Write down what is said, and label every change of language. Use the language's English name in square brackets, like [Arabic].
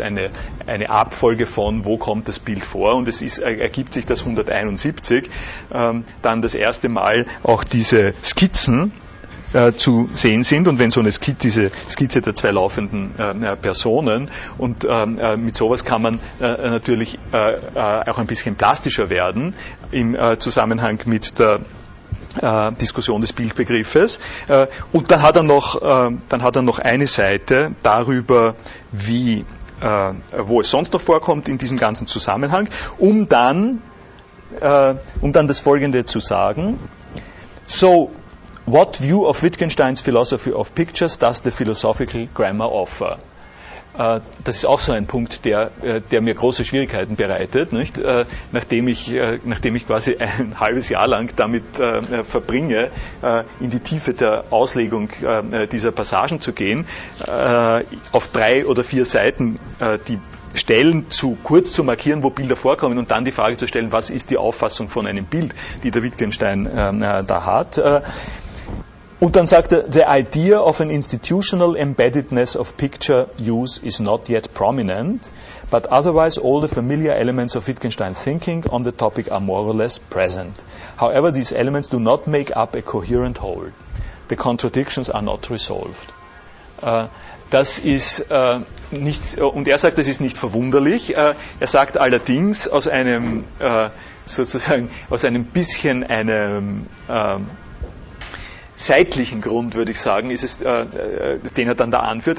[German] Eine Abfolge von, wo kommt das Bild vor? Und es ist, ergibt sich das 171 dann das erste Mal auch diese Skizzen zu sehen sind, und wenn so eine Skizze, diese Skizze der zwei laufenden Personen, und mit sowas kann man natürlich auch ein bisschen plastischer werden im Zusammenhang mit der Diskussion des Bildbegriffes. Und dann hat er noch, eine Seite darüber, wie, wo es sonst noch vorkommt in diesem ganzen Zusammenhang, um dann das Folgende zu sagen. [English] So, what view of Wittgensteins philosophy of pictures does the philosophical grammar offer? [German] Das ist auch so ein Punkt, der mir große Schwierigkeiten bereitet, nicht? Nachdem ich quasi ein halbes Jahr lang damit verbringe, in die Tiefe der Auslegung dieser Passagen zu gehen, auf drei oder vier Seiten die Stellen zu kurz zu markieren, wo Bilder vorkommen, und dann die Frage zu stellen, was ist die Auffassung von einem Bild, die der Wittgenstein da hat. Und dann sagt er, [English] the idea of an institutional embeddedness of picture use is not yet prominent, but otherwise all the familiar elements of Wittgenstein's thinking on the topic are more or less present. However, these elements do not make up a coherent whole. The contradictions are not resolved. [German] Das ist nicht, und er sagt, das ist nicht verwunderlich. Er sagt allerdings aus einem, sozusagen, aus einem bisschen einem, seitlichen Grund, würde ich sagen, ist es, den er dann da anführt.